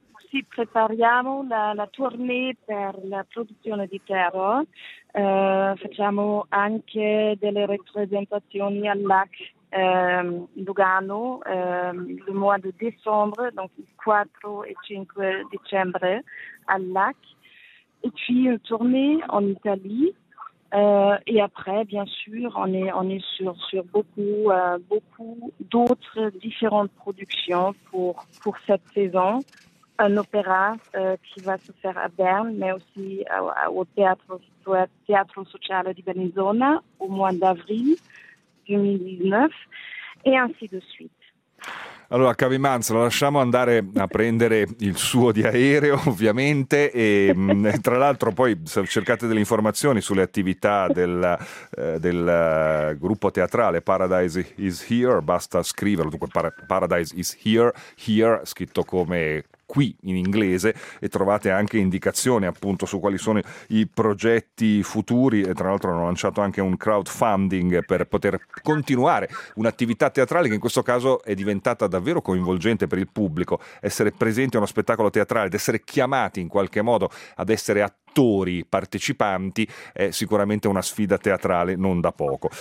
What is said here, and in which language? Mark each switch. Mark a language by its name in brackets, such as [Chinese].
[Italian] Sì, prepariamo la tournée per la produzione di Terror. Facciamo anche delle rappresentazioni al LAC Lugano il [French] mois de décembre, donc 4 et 5 [Italian] dicembre al [French] LAC, et puis une tournée en Italie, et après bien sûr on est sur beaucoup d'autres différentes productions pour cette saison. Un opéra qui va se faire à Berne, mais aussi au théâtre social de Bellinzona au mois d'avril 2019, et ainsi de suite. [Italian] Allora, Camille Manz, la lasciamo andare a prendere il suo di aereo, ovviamente, e tra l'altro poi cercate delle informazioni sulle attività del gruppo teatrale Paradise Is Here, basta scriverlo, dunque Paradise Is Here, scritto come qui in inglese, e trovate anche indicazioni appunto su quali sono i progetti futuri, e tra l'altro hanno lanciato anche un crowdfunding per poter continuare un'attività teatrale che in questo caso è diventata davvero coinvolgente per il pubblico, essere presenti a uno spettacolo teatrale ed essere chiamati in qualche modo ad essere attori partecipanti è sicuramente una sfida teatrale non da poco.